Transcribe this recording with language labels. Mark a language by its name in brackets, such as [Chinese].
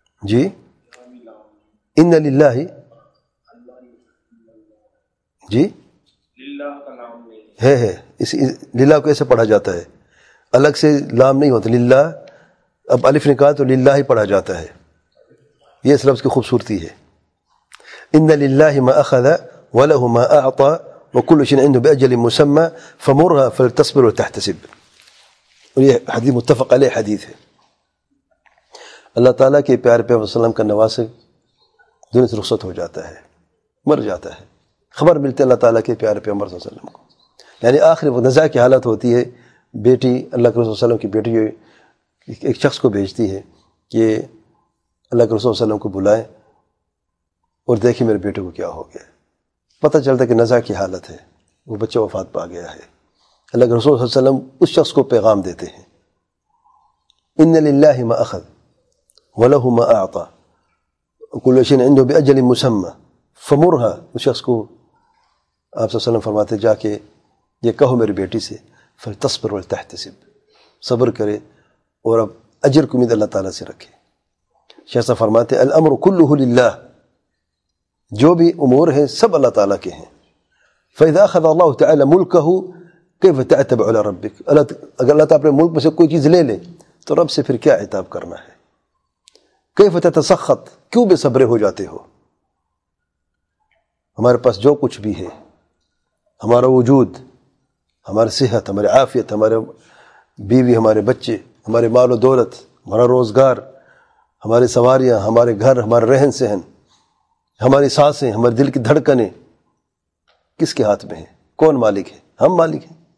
[Urdu] جی ان للہ جی ہے ہے اس للہ کو ایسے پڑھا جاتا ہے الگ سے لام نہیں ہوتا للہ اب الف نکال تو للہ ہی پڑھا جاتا ہے یہ اس لفظ کی خوبصورتی ہے. [Arabic] ان للہ ما اخذ وله ما اعطى وكل شيء عنده باجل مسمى فمرها فلتصبر وتحتسب. [Urdu] یہ حدیث متفق علیہ حدیث ہے. اللہ تعالیٰ کے پیارے پیغمبر صلی اللہ علیہ وسلم کا نواسے دنیا سے رخصت ہو جاتا ہے مر جاتا ہے خبر ملتے اللہ تعالیٰ کے پیارے پیغمبر صلی اللہ علیہ وسلم کو یعنی آخری وقت نزاع کی حالت ہوتی ہے. بیٹی اللہ کے رسول صلی اللہ علیہ وسلم کی بیٹی ایک شخص کو بھیجتی ہے کہ اللہ کے رسول صلی اللہ علیہ وسلم کو بلائیں اور دیکھیں میرے بیٹے کو کیا ہو گیا. پتہ چلتا ہے کہ نزاع کی حالت ہے وہ بچہ وفات پا گیا ہے. اللہ کے رسول صلی اللہ علیہ وسلم اس شخص کو پیغام دیتے ہیں [Arabic] ان للہ ما اخذ وله ما اعطى وكل شيء عنده باجل مسمى فمرها. [Urdu] اس شخص کو آپ صلی اللہ علیہ وسلم فرماتے جا کے یہ کہو میری بیٹی سے [Arabic] فلتصبر ولتحتسب [Urdu] صبر کرے اور اب اجر کو امید اللہ تعالیٰ سے رکھے. شیخ صاحب فرماتے [Arabic] الامر كله لله [Urdu] جو بھی امور ہیں سب اللہ تعالیٰ کے ہیں. [Arabic] فاذا اخذ الله تعالى ملكه كيف تعتب على ربك. [Urdu] اگر اللہ تعالیٰ اپنے ملک میں سے کوئی چیز لے لے تو رب سے پھر کیا عتاب کرنا ہے. [Arabic] کیف تتسخط [Urdu] کیوں بے صبر ہو جاتے ہو. ہمارے پاس جو کچھ بھی ہے ہمارا وجود ہماری صحت ہماری عافیت ہمارے بیوی ہمارے بچے ہمارے مال و دولت ہمارا روزگار ہماری سواریاں ہمارے گھر ہمارے رہن سہن ہماری سانسیں ہمارے دل کی دھڑکنیں کس کے ہاتھ میں ہیں کون مالک ہے. ہم مالک ہیں.